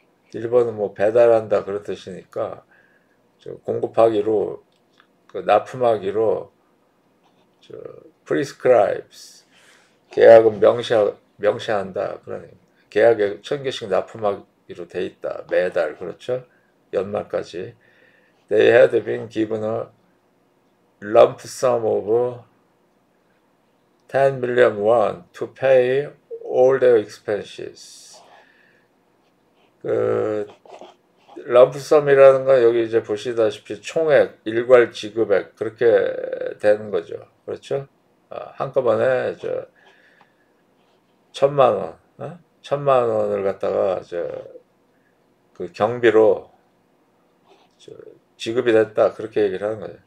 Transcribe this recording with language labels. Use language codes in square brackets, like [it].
[ko] 딜리버는 뭐 배달한다 그런 뜻이니까 저 공급하기로 그 납품하기로 저 prescribes 계약은 명시한다. 그러니까 계약에 1,000개씩 납품하기 로 돼 있다. 매달 그렇죠? 연말까지 [en] They had been given a lump sum of 10 million won to pay all their expenses. [ko] 그 lump sum이라는 건 여기 이제 보시다시피 총액 일괄 지급액 그렇게 되는 거죠. 그렇죠? 아, 한꺼번에 저 1,000만 원 어? 1,000만 원을 갖다가 저 그 경비로 저 지급이 됐다 그렇게 얘기를 하는 거예요.